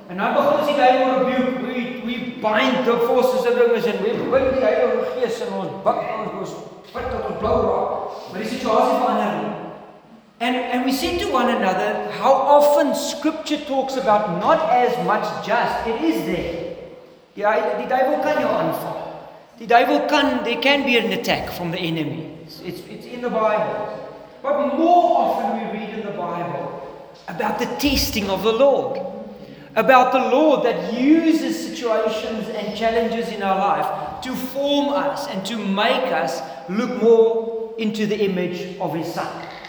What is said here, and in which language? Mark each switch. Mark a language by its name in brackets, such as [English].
[Afrikaans] En nou begin ons die duiwel rebuke. [English] We bind the forces of darkness and we bind [Afrikaans] die Heilige Gees in ons bak aan ons pad tot ons blou raak. Maar die situasie verander nie. [English] And we said to one another how often scripture talks about not as much just. It is there. [Afrikaans] Die duiwel kan jou aanval. Die duiwel kan, [English] there can be an attack from the enemy. It's in the Bible. But more often we read in the Bible about the testing of the Lord. About the Lord that uses situations and challenges in our life to form us and to make us look more into the image of His Son.